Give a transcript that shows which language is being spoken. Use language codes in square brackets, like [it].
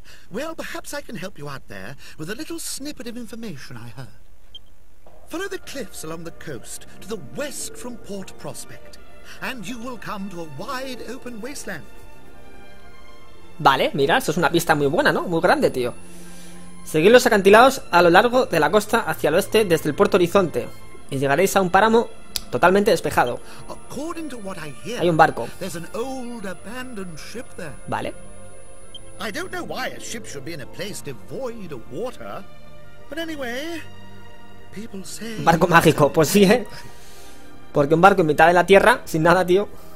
[en] Well, perhaps I can help you out there with a little snippet of information I heard. Follow the cliffs along the coast to the west from Port Prospect, and you will come to a wide open wasteland. [es] Vale, mira, esto es una pista muy buena, ¿no? Muy grande, tío. Seguid los acantilados a lo largo de la costa hacia el oeste desde el puerto Horizonte y llegaréis a un páramo totalmente despejado. [en] According to what I hear, [es] hay un barco. [en] There's an old abandoned ship there. Vale. I don't know why a ship should be in a place devoid of water, but anyway. [es] Un barco mágico, pues sí, ¿eh? Porque un barco en mitad de la tierra, sin nada, tío.